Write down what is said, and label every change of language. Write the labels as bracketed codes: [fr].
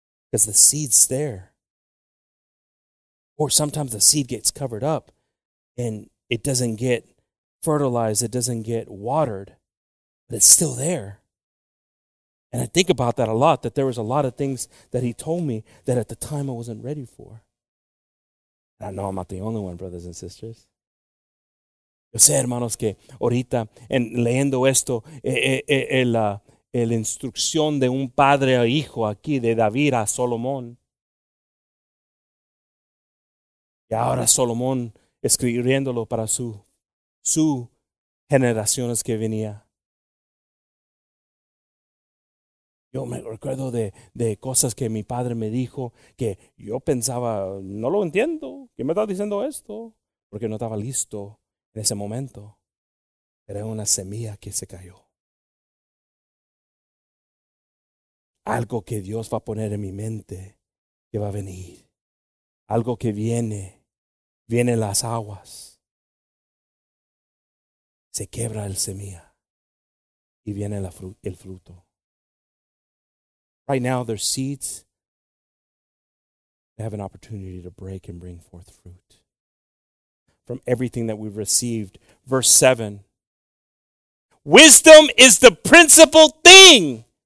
[en] Because the seed's there. Or sometimes the seed gets covered up and it doesn't get fertilized. It doesn't get watered. But it's still there. And I think about that a lot, that there was a lot of things that he told me that at the time I wasn't ready for. And I know I'm not the only one, brothers and sisters. [es] Yo sé, hermanos, que ahorita, en leyendo esto, la instrucción de un padre a hijo aquí, de David a Solomón. Y ahora Solomón escribiéndolo para su generaciones que venía. Yo me recuerdo de cosas que mi padre me dijo que yo pensaba, no lo entiendo. ¿Quién me está diciendo esto? Porque no estaba listo en ese momento. Era una semilla que se cayó. Algo que Dios va a poner en mi mente que va a venir. Algo que viene. Vienen las aguas. se quiebra el semilla y viene el fruto. [en] Right now, their seeds have an opportunity to break and bring forth fruit from everything that we've received. Verse 7. Wisdom is the principal thing.